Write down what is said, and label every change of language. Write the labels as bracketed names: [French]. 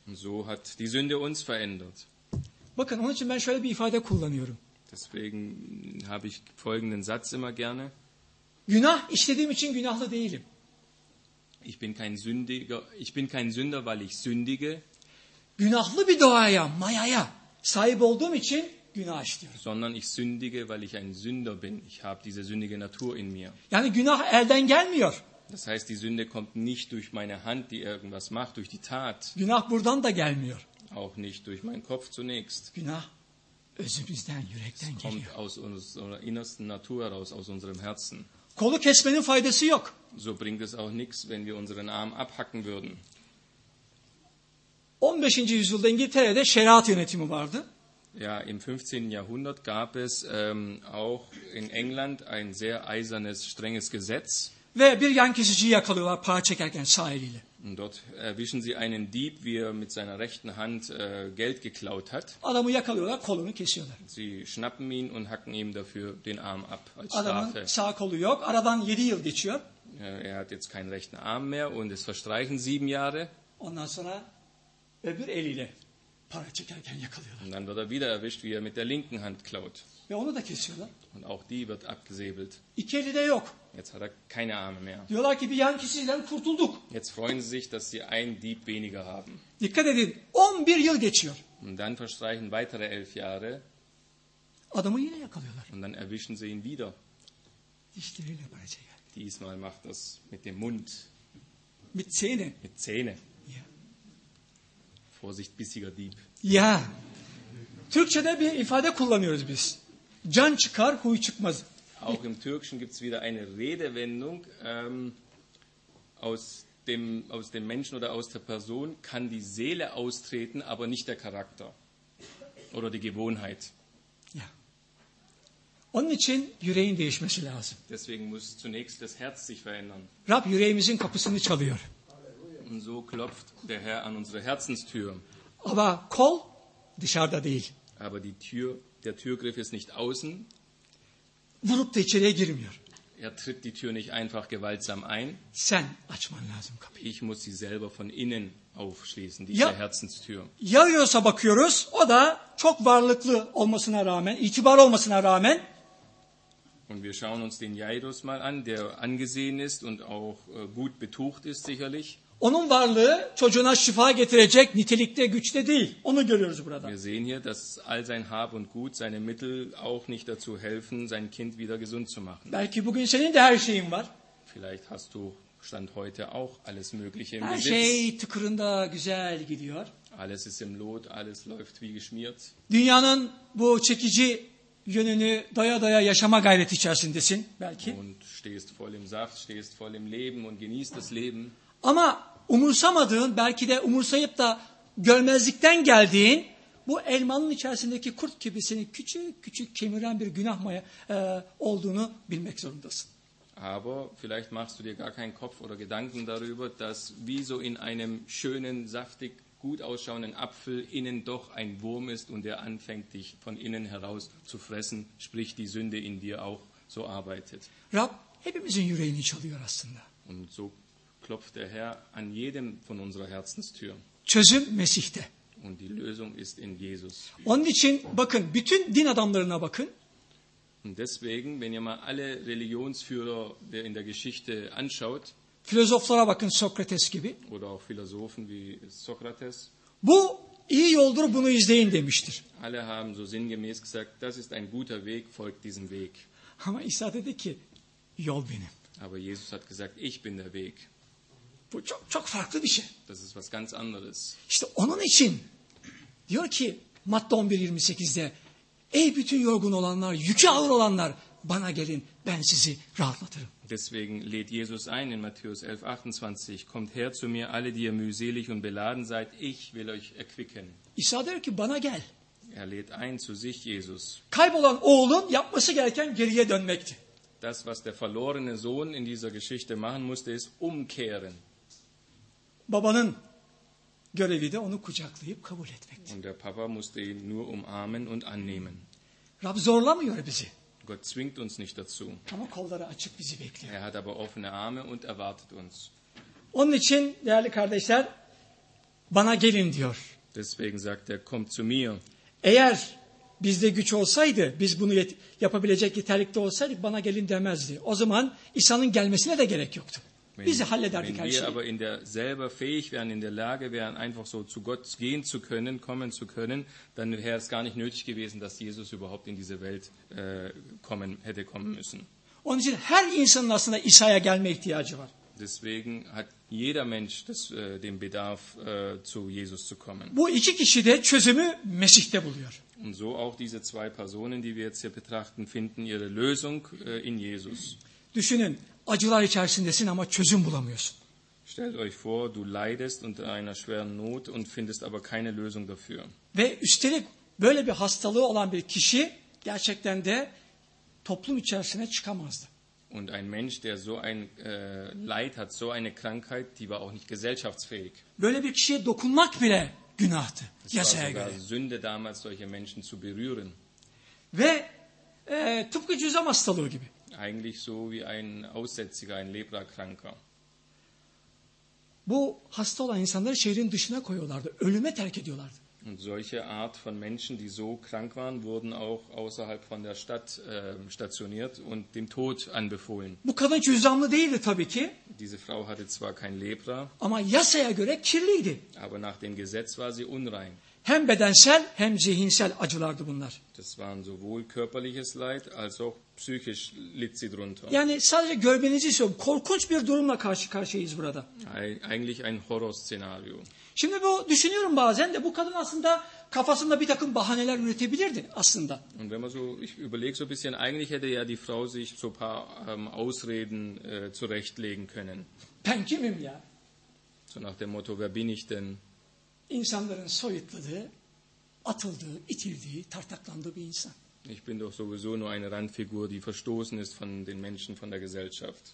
[German] Und so hat die Sünde uns verändert. [Turkish] Bakın, onun için ben şöyle bir ifade kullanıyorum. [German] Deswegen habe ich folgenden Satz immer gerne. [Turkish] Günah işlediğim için günahlı değilim. [German] Ich bin kein Sünder, weil ich sündige. [Turkish] Günahlı bir doğaya, mayaya sahip olduğum için günah işliyorum. [German] Sondern ich sündige, weil ich ein Sünder bin. Ich habe diese sündige Natur in mir. [Turkish] Yani günah elden gelmiyor. [German] Das heißt, die Sünde kommt nicht durch meine Hand, die irgendwas macht, durch die Tat. [Turkish] Günah buradan da gelmiyor. [German] Auch nicht durch meinen Kopf zunächst. [Turkish] Günah özümüzden, yürekten geliyor. [German] Kommt aus unserer innersten Natur heraus, aus unserem Herzen. [Turkish] Kolu kesmenin faydası yok. So bringt es auch nichts, wenn wir unseren Arm abhacken würden. 15. yüzyılda İngiltere'de şeriat yönetimi vardı. [German] Ja, im 15. Jahrhundert gab es auch in England ein sehr eisernes, strenges Gesetz. [Turkish] Ve bir yan kesiciyi yakalıyorlar para çekerken sahiliyle. [German] Und dort erwischen sie einen Dieb, wie er mit seiner rechten Hand Geld geklaut hat. [Turkish] Adamı yakalıyorlar, kolunu kesiyorlar. [German] Sie schnappen ihn und hacken ihm dafür den Arm ab als Strafe. [Turkish] Adamın sağ kolu yok, aradan 7 yıl geçiyor. [German] Er hat jetzt keinen rechten Arm mehr und es verstreichen 7 Jahre. [Turkish] Ondan sonra öbür eliyle para çekerken yakalıyorlar. [German] Und dann wird er wieder erwischt, wie er mit der linken Hand klaut. [Turkish] Ve onu da kesiyorlar. [German] Und auch die wird abgesäbelt. [Turkish] İki eli de yok. [German] Jetzt hat er keine Arme mehr. [Turkish] Diyorlar ki bir yankisinden kurtulduk. [German] Jetzt freuen sie sich, dass sie einen Dieb weniger haben. [Turkish] Dikkat edin, 11 yıl geçiyor. [German] Und dann verstreichen weitere 11 Jahre. [Turkish] Adamı yine yakalıyorlar. [German] Und dann erwischen sie ihn wieder. [Turkish] Dişleriyle böylece geldi. [German] Diesmal macht das mit dem Mund. Mit Zähne. Mit Zähne. Ja. Vorsicht, bissiger Dieb. Ja. [Turkish] Türkçe'de bir ifade kullanıyoruz biz. Can çıkar, huy çıkmaz. [German] Auch im Türkischen gibt es wieder eine Redewendung. Aus dem Menschen oder aus der Person kann die Seele austreten, aber nicht der Charakter oder die Gewohnheit. Ja. [Turkish] Onun için yüreğin değişmesi lazım. [German] Deswegen muss zunächst das Herz sich verändern. [Turkish] Rab yüreğimizin kapısını çalıyor. [German] Und so klopft der Herr an unsere Herzenstür. Aber [Turkish] kol dışarıda değil. [German] Aber die Tür, der Türgriff ist nicht außen. [Turkish] Vurup da içeriye girmiyor. [German] Er tritt die Tür nicht einfach gewaltsam ein. [Turkish] Sen açman lazım kapıyı. [German] Ich muss sie selber von innen aufschließen, diese Herzenstür. [Turkish] Yarıyorsa bakıyoruz, o da çok varlıklı olmasına rağmen, itibar olmasına rağmen. [German] Und wir schauen uns den Jairus mal an, der angesehen ist und auch gut betucht ist sicherlich. [Turkish] Onun varlığı çocuğuna şifa getirecek nitelikte, güçte değil. Onu görüyoruz burada. [German] Wir sehen hier, dass all sein Hab und Gut, seine Mittel auch nicht dazu helfen, sein Kind wieder gesund zu machen. [Turkish] Belki bugün senin de her şeyin var. [German] Vielleicht hast du Stand heute auch alles Mögliche [Turkish] her [German] im Besitz. [Turkish] Her şey tıkırında güzel gidiyor. [German] Alles ist im Lot, alles läuft wie geschmiert. [Turkish] Dünyanın bu çekici yönünü doya doya yaşama gayreti içerisindesin belki. [German] Und stehst voll im Saft, stehst voll im Leben und genießt das Leben. [Turkish] Ama umursamadığın, belki de umursayıp da görmezlikten geldiğin bu elmanın içerisindeki kurt gibi seni küçük küçük kemiren bir günah maya olduğunu bilmek zorundasın. [German] Aber vielleicht machst du dir gar keinen Kopf oder Gedanken darüber, dass wie so in einem schönen, saftig, gut ausschauenden Apfel innen doch ein Wurm ist und der anfängt dich von innen heraus zu fressen, sprich die Sünde in dir auch so arbeitet. [Turkish] Rab hepimizin yüreğini çalıyor aslında. [German] Und so klopft der Herr an jedem von unserer Herzenstür. [Turkish] Çözüm Mesih'te. [German] Und die Lösung ist in Jesus. [Turkish] Onun için bakın, bütün din adamlarına bakın. [German] Und deswegen, wenn ihr mal alle Religionsführer der in der Geschichte anschaut, [Turkish] Philosophlara bakın, Sokrates gibi. [German] Oder auch Philosophen wie Sokrates. [Turkish] Bu iyi yoldur, bunu izleyin demiştir. [German] Alle haben so sinngemäß gesagt, das ist ein guter Weg, folgt diesem Weg. [Turkish] Ama İsa dedi ki, yol benim. [German] Aber Jesus hat gesagt, ich bin der Weg. [Turkish] Bu çok çok farklı bir şey. [German] Das ist was ganz anderes. [Turkish] İşte onun için diyor ki Matta 11:28'de, ey bütün yorgun olanlar, yükü ağır olanlar, bana gelin, ben sizi rahatlatırım. [German] Deswegen lädt Jesus ein in Matthäus 11:28, kommt her zu mir alle, die ihr mühselig und beladen seid, ich will euch erquicken. [Turkish] İsa diyor ki bana gel. [German] Er lädt ein zu sich Jesus. [Turkish] Kaybolan oğlun yapması gereken geriye dönmekti. [German] Das, was der verlorene Sohn in dieser Geschichte machen musste, ist umkehren. [Turkish] Babanın görevi de onu kucaklayıp kabul etmekti. [German] Und der Papa musste ihn nur umarmen und annehmen. [Turkish] Rab zorlamıyor bizi. [German] Gott zwingt uns nicht dazu. [Turkish] Ama kolları açık bizi bekliyor. [German] Er hat aber offene Arme und erwartet uns. [Turkish] Onun için değerli kardeşler, bana gelin diyor. [German] Deswegen sagt er, kommt zu mir. [Turkish] Eğer bizde güç olsaydı, biz bunu yapabilecek yeterlikte olsaydık, bana gelin demezdi. O zaman İsa'nın gelmesine de gerek yoktu. Bizi hallederdik her şeyi. [German] Wenn wir aber in der selber fähig wären, in der Lage wären, einfach so zu Gott gehen zu können, kommen zu können, dann wäre es gar nicht nötig gewesen, dass Jesus überhaupt in diese Welt kommen hätte kommen müssen. [Turkish] Onun için her insanın aslında İsa'ya gelme ihtiyacı var. [German] Deswegen hat jeder Mensch das, den Bedarf, zu Jesus zu kommen. [Turkish] Bu iki kişi de çözümü Mesih'te buluyor. [German] Und so auch diese zwei Personen, die wir jetzt hier betrachten, finden ihre Lösung in Jesus. [Turkish] Düşünün, acılar içerisindesin ama çözüm bulamıyorsun. [German] Stellt euch vor, du leidest unter einer schweren Not und findest aber keine Lösung dafür. [Turkish] Ve üstelik böyle bir hastalığı olan bir kişi gerçekten de toplum içerisine çıkamazdı. [German] Und ein Mensch, der so ein Leid hat, so eine Krankheit, die war auch nicht gesellschaftsfähig. [Turkish] Böyle bir kişiye dokunmak bile günahtı. Yasaya göre. [German] Es war Sünde damals, solche Menschen zu berühren. [Turkish] Ve tıpkı cüzzam hastalığı gibi. [German] Eigentlich so wie ein Aussätziger, ein Leprakranker. [Turkish] Bu hasta olan insanları şehrin dışına koyuyorlardı, ölüme terk ediyorlardı. [German] Und solche Art von Menschen, die so krank waren, wurden auch außerhalb von der Stadt stationiert und dem Tod anbefohlen. [Turkish] Bu kadın cüzdanlı değildi tabii ki. [German] Diese Frau hatte zwar kein Lepra. [Turkish] Ama yasaya göre kirliydi. [German] Aber nach dem Gesetz war sie unrein. [Turkish] Hem bedensel hem zihinsel acılardı bunlar. [German] Das waren sowohl körperliches Leid als auch psychisch litt sie drunter. [Turkish] Yani sadece görmenizi istiyorum. Korkunç bir durumla karşı karşıyayız burada. [German] Eigentlich ein Horrorszenario. [Turkish] Şimdi bu düşünüyorum bazen de bu kadın aslında kafasında bir takım bahaneler üretebilirdi aslında. [German] Und wenn man so, ich überlege so ein bisschen, eigentlich hätte ya die Frau sich so ein paar Ausreden zurechtlegen können. [Turkish] Ben kimim ya? [German] So nach dem Motto, wer bin ich denn? [Turkish] İnsanların soyutladığı, atıldığı, itildiği, tartaklandığı bir insan. [German] Ich bin doch sowieso nur eine Randfigur, die verstoßen ist von den Menschen, von der Gesellschaft.